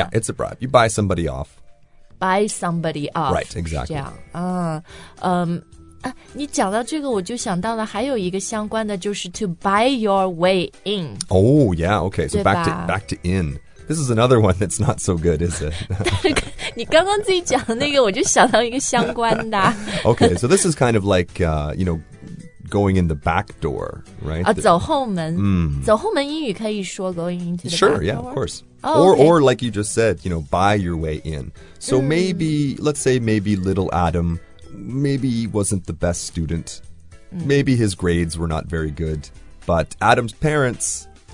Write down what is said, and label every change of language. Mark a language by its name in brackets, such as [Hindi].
[English] yeah it's a bribe you buy somebody off buy somebody off right exactly [Chinese] 这样你讲到这个我就想到了还有一个相关的就是 [English] to buy your way in. Oh, yeah, okay. So back to in. This is another one that's not so good, is it? [Chinese] 你刚刚自己讲的那个我就想到一个相关的。 [English] Okay, so this is kind of like, you know, going in the back door, right? [Chinese] 走后门。走后门英语可以说 [English] going into the back door? Sure, yeah, of course. Oh, okay. Or like you just said, you know, buy your way in. So maybe, let's say maybe little Adam... Maybe he wasn't the best student.、Maybe his grades were not very good. But Adam's parents...